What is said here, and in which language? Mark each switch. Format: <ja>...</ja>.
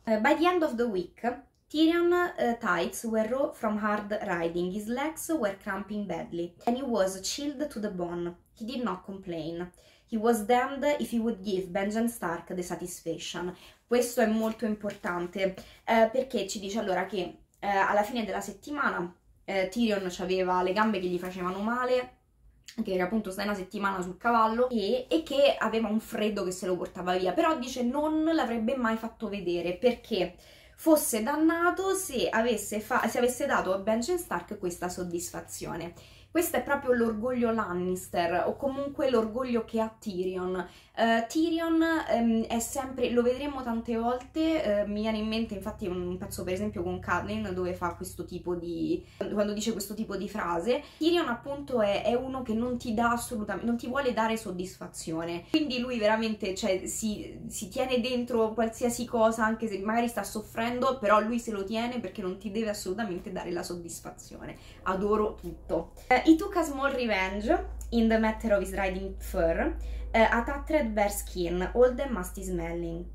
<en>By the end of the week, Tyrion's thighs were raw from hard riding, his legs were cramping badly, and he was chilled to the bone. He did not complain. He was damned if he would give Benjen Stark the satisfaction.</en> <it>Questo è molto importante, perché ci dice allora che alla fine della settimana Tyrion aveva le gambe che gli facevano male, che era appunto stai una settimana sul cavallo e che aveva un freddo che se lo portava via, però dice non l'avrebbe mai fatto vedere perché fosse dannato se avesse dato a Benjen Stark questa soddisfazione. Questo è proprio l'orgoglio Lannister, o comunque l'orgoglio che ha Tyrion. Tyrion è sempre, lo vedremo tante volte, mi viene in mente infatti un pezzo per esempio con Catelyn dove fa questo tipo di, quando dice questo tipo di frase, Tyrion appunto è uno che non ti dà assolutamente, non ti vuole dare soddisfazione. Quindi lui veramente, cioè, si tiene dentro qualsiasi cosa, anche se magari sta soffrendo, però lui se lo tiene perché non ti deve assolutamente dare la soddisfazione. Adoro tutto.</it> <en>He took a small revenge in the matter of his riding fur, a tattered bear skin, old and musty smelling.</en>